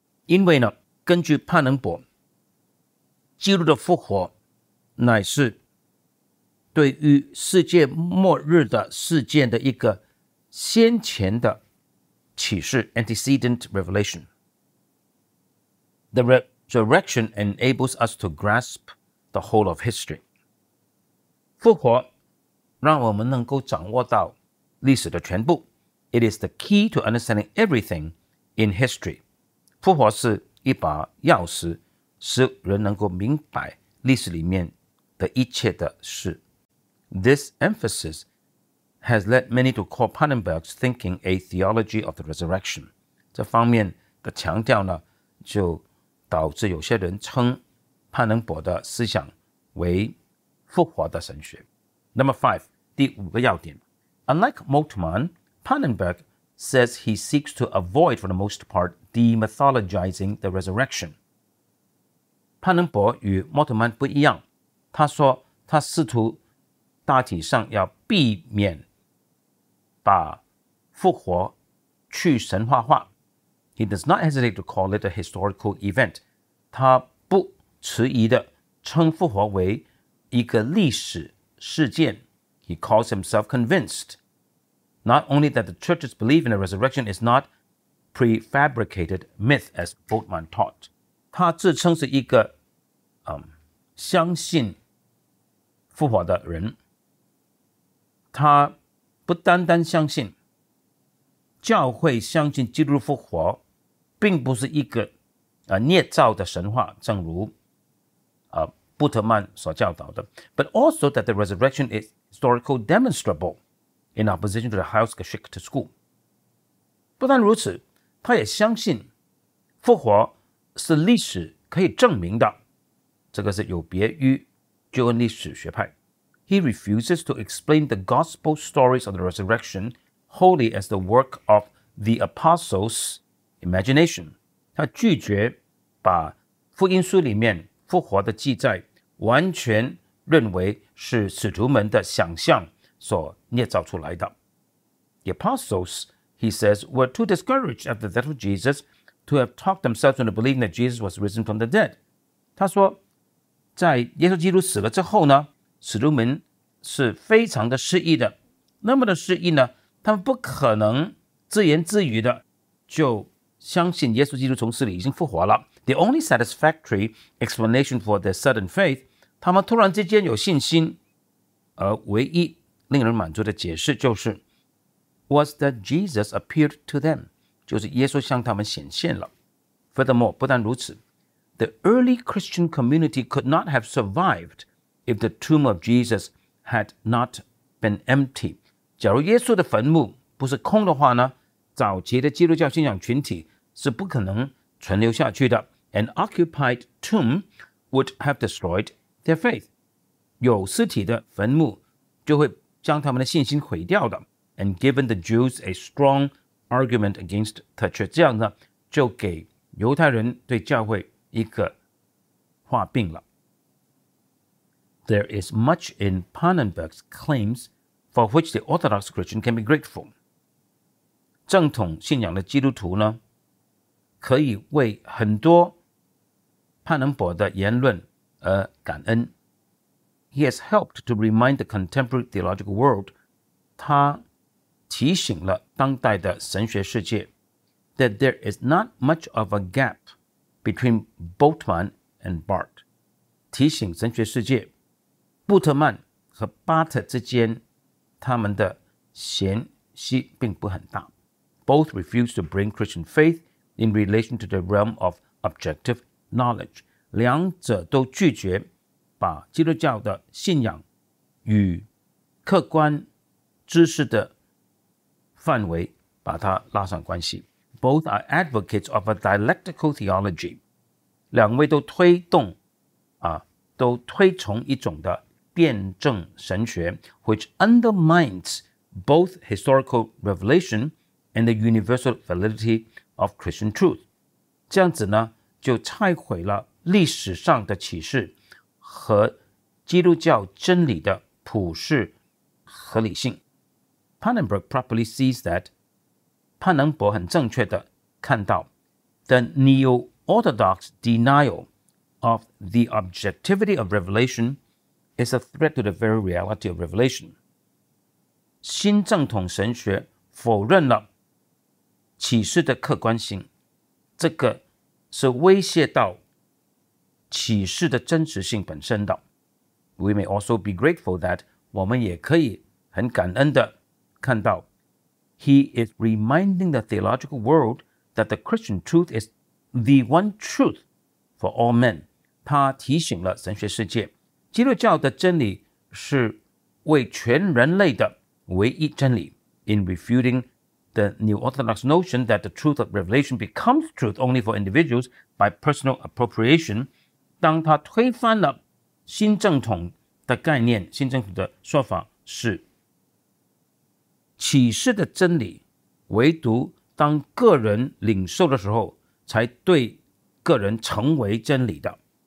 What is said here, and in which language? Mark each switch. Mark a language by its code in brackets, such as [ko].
[zh] 因为呢，根据潘能博，基督的复活乃是对于世界末日的事件的一个先前的启示 [en] antecedent revelation。 The Resurrection enables us to grasp the whole of history. [zh] 复活让我们能够掌握到历史的全部。 [en] It is the key to understanding everything in history. [zh] 复活是一把钥匙，使人能够明白历史里面的一切的事。 [en] This emphasis has led many to call Pannenberg's thinking a theology of the resurrection. [zh] 这方面的强调呢，就导致有些人称潘能博的思想为复活的神学。 [en] Number five, [zh] 第五个要点。 [en] Unlike Moltmann, Pannenberg says he seeks to avoid, for the most part, demythologizing the resurrection. [zh] 潘能博与莫特曼不一样，他说他试图大体上要避免把复活去神话化。 [en] He does not hesitate to call it a historical event. [zh] 他不迟疑地称复活为一个历史事件。 [en] He calls himself convinced. Not only that the church's belief in the resurrection is not prefabricated myth as Boltmann taught. [zh] 他自称是一个相信复活的人。他不单单相信教会相信基督复活并不是一个捏造的神话，正如布特曼所教导的。 [en] But also that the resurrection is historical demonstrable in opposition to the Heilsgeschichte school. [zh] 不但如此，他也相信复活是历史可以证明的，这个是有别于救恩历史学派。 [en] He refuses to explain the gospel stories of the resurrection wholly as the work of the apostles. Imagination. [zh] 他拒绝把福音书里面复活的记载完全认为是使徒们的想象所捏造出来的。 [en] The apostles, he says, were too discouraged after the death of Jesus to have talked themselves into believing that Jesus was risen from the dead. [zh] 他说在耶稣基督死了之后呢，使徒们是非常的失意的，那么的失意呢，他们不可能自言自语的就相信耶稣基督从死里已经复活了。 [en] The only satisfactory explanation for their sudden faith, [zh] 他们突然之间有信心，而唯一令人满足的解释就是 [en] was that Jesus appeared to them, [zh] 就是耶稣向他们显现了。 [en] Furthermore, [zh] 不但如此， [en] the early Christian community could not have survived if the tomb of Jesus had not been empty. [zh] 假如耶稣的坟墓不是空的话呢，早期的基督教信仰群体是不可能存留下去的。 [en] An occupied tomb would have destroyed their faith. [zh] 有尸体的坟墓就会将他们的信心毁掉的。 [en] And given the Jews a strong argument against the church, [zh] 这样呢就给犹太人对教会一个画饼了。 [en] There is much in Pannenberg's claims for which the Orthodox Christian can be grateful. [zh] 正统信仰的基督徒呢，可以为很多潘能博的言论而感恩。 [en] He has helped to remind the contemporary theological world, [zh] 他提醒了当代的神学世界 [en] that there is not much of a gap between Boltmann and Barth. [zh] 提醒神学世界，布特曼和巴特之间，他们的嫌隙并不很大。 [en] Both refuse to bring Christian faith in relation to the realm of objective knowledge. [zh] 两者都拒绝把基督教的信仰与客观知识的范围把它拉上关系。 [en] Both are advocates of a dialectical theology. [zh] 两位都推动都推崇一种的辩证神学 [en] which undermines both historical revelationand the universal validity of Christian truth. [zh] 这样子呢，就拆毁了历史上的启示和基督教真理的普世合理性。 [en] Pannenberg properly sees that, [zh] 潘能博很正确地看到 [en] the neo-orthodox denial of the objectivity of revelation is a threat to the very reality of revelation. [zh] 新正统神学否认了启示的客观性，这个是威胁到启示的真实性本身的。 [en] We may also be grateful that [zh] 我们也可以很感恩的看到 [en] He is reminding the theological world that the Christian truth is the one truth for all men. [zh] 他提醒了神学世界，基督教的真理是为全人类的唯一真理。 [en] In refuting the New Orthodox notion that the truth of revelation becomes truth only for individuals by personal appropriation, [zh] 当他推翻了新正统的概念，新正统的说法是启示的真理唯独当个人领受的时候才对个人成为真理的。